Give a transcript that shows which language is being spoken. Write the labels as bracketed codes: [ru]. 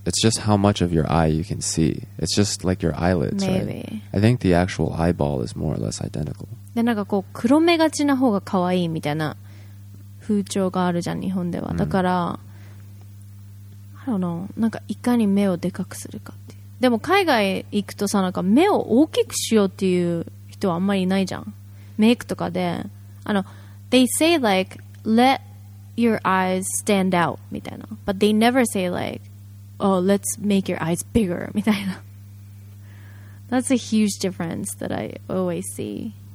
[en] It's just how much of your eye you can see. It's just like your eyelids, Maybe. Right? I think the actual eyeball is more or less identical. [ja] で、なんかこう黒目がちな方が可愛いみたいな風潮があるじゃん、日本では。だから、 [en] I don't know, [ja] なんかいかに目をでかくするかっていう。でも海外行くとさ、なんか目を大きくしようっていう人はあんまりいないじゃん。メイクとかで。 [en] あの、they say like, letyour eyes stand out [ja] みたいな [en] but they never say like oh let's make your eyes bigger みたいな that's a huge difference that I always see